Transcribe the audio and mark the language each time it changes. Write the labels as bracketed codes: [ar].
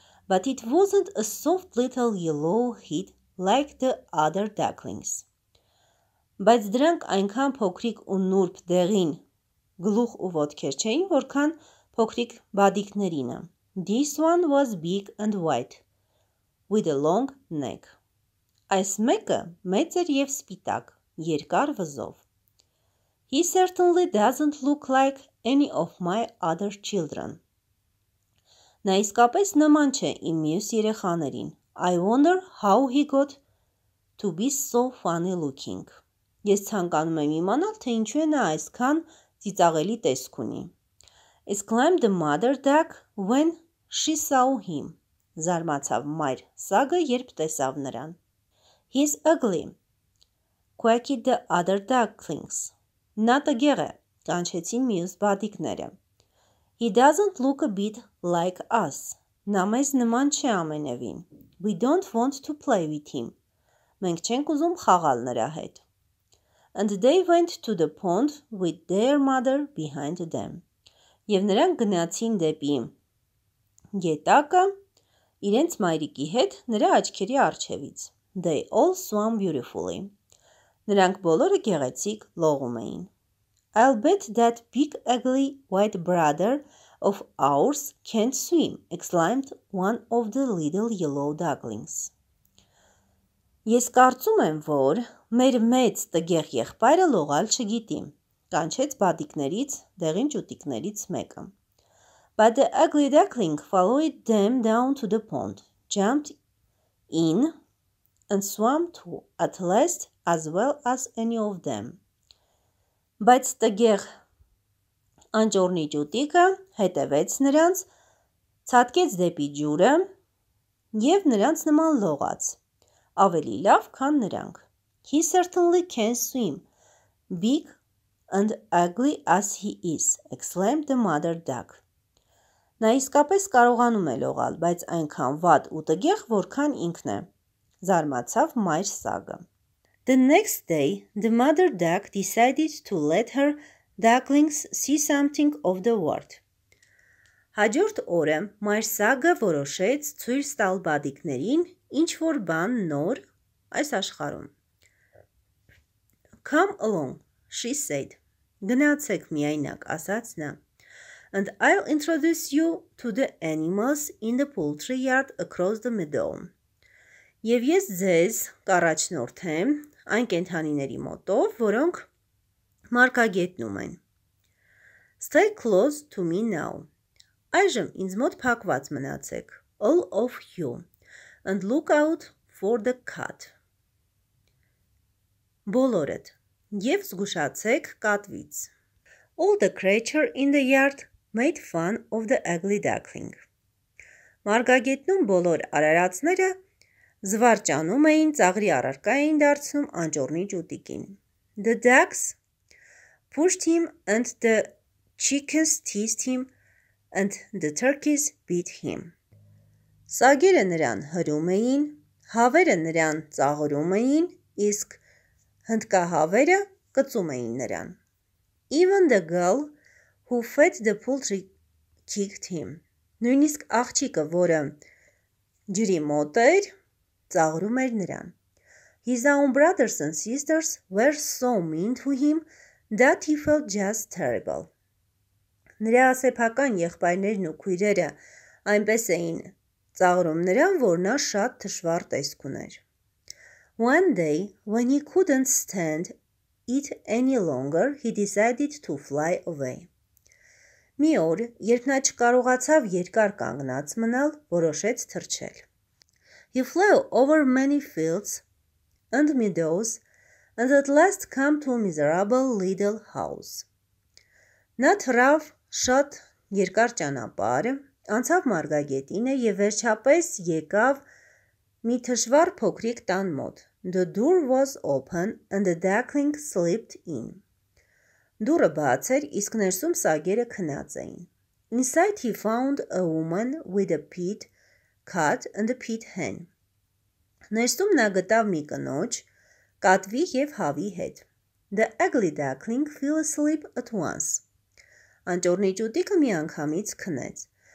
[en] But it wasn't a soft little yellow head like the other ducklings. [hy] Բայց դրանք այնքան փոքրիկ ու նուրբ դեղին գլուխ ու ոտքեր չէին, որքան փոքրիկ բադիկներինը. [en] This one was big and white, with a long neck. [hy] Այս մեկը մեծ էր և սպիտակ, երկար վզով. [en] He certainly doesn't look like any of my other children. [hy] Նա իսկապես նման չէ իմ մյուս երեխաներին. [en] I wonder how he got to be so funny looking. [hy] Ես ցանկանում եմ իմանալ, թե ինչու է նա այսքան ծիծաղելի տեսք ունի. [en] Exclaimed the mother duck when she saw him. [hy] Զարմացավ մայր սագը, երբ տեսավ նրան. [en] He's ugly, quacked the other ducklings. [hy] Նա տգեղ է, կանչեցին մյուս բադիկները. [en] He doesn't look a bit like us. [hy] Նա մեզ նման չէ ամենևին. [en] We don't want to play with him. [hy] Մենք չենք ուզում խաղալ նրա հետ. [en] And they went to the pond with their mother behind them. [hy] Եվ նրանք գնացին դեպի գետակը իրենց մայրիկի հետ նրա աչքերի առջևից. [en] They all swam beautifully. [hy] Նրանք բոլորը գեղեցիկ լողում էին. [en] I'll bet that big ugly white brother of ours can't swim, exclaimed one of the little yellow ducklings. [hy] Ես կարծում եմ, որ մեր մեծ տգեղ եղբայրը լողալ չգիտի, կանչեց բադիկներից, դեղին ճուտիկներից մեկը. [en] But the ugly duckling followed them down to the pond, jumped in and swam to at least as well as any of them. [hy] Բայց տգեղ անջորնի ճուտիկը հետևեց նրանց, ցատկեց դեպի ջուրը և նրանց նման լողաց, ավելի լավ, քան նրանք. [en] He certainly can swim, big and ugly as he is, exclaimed the mother duck. [hy] Նա իսկապես կարողանում է լողալ, բայց այնքան վատ ու տգեղ, որքան ինքն է, զարմացավ մայր սագը. [en] The next day, the mother duck decided to let her ducklings see something of the world. [hy] Հաջորդ օրը մայր սագը որոշեց ցույց տալ բադիկներին ինչ-որ բան նոր այս աշխարհում. [en] Come along, she said. [hy] Գնացեք միայնակ, ասաց նա. [en] And I'll introduce you to the animals in the poultry yard across the meadow. [hy] Եվ ես ձեզ կառաջնորդեմ այն կենդանիների մոտով, որոնք մարգագետնում են. [en] Stay close to me now. [hy] Այժմ ինձ մոտ փակված մնացեք. [en] All of you. And look out for the cat. [hy] Բոլորդ. Եվ զգուշացեք կատվից. [en] All the creature in the yard made fun of the ugly duckling. [hy] Մարգագետնում բոլոր արարածները զվարճանում էին, ծաղրի առարկա էին դարձնում անջորնի ճուտիկին. [en] The ducks pushed him and the chickens teased him and the turkeys beat him. [hy] Սագերը նրան հրում էին, հավերը նրան ծաղրում էին, իսկ հնդկահավերը կծում էին նրան. [en] Even the girl who fed the poultry kicked him. [hy] Նույնիսկ աղջիկը, որը ջրի մոտ էր, ծաղրում էր նրան. [en] His own brothers and sisters were so mean to him that he felt just terrible. [hy] Նրա սեփական եղբայրներն ու քույրերը այնպես էին ծաղրում նրան, որ նա շատ թշվառ տեսք ուներ. [en] One day, when he couldn't stand it any longer, he decided to fly away. [hy] Մի օր, երբ նա չկարողացավ երկար կանգնած մնալ, որոշեց թռչել. [en] He flew over many fields and meadows and at last came to a miserable little house. [hy] Նա թռավ շատ երկար ճանապարհ, անցավ մարգագետինը և վերջապես եկավ մի թշվառ փոքրիկ տան մոտ. [en] The door was open and the duckling slipped in. [hy] Դուրը բաց էր, իսկ ներսում սագերը քնած էին. [en] Inside he found a woman with a pit cat and a pit hen. [hy] Ներսում նա գտավ մի կնոջ, կատվի և հավի հետ. [en] The ugly duckling fell asleep at once. [hy] Անճոռնի ճուտիկը մի անգամից քնեց.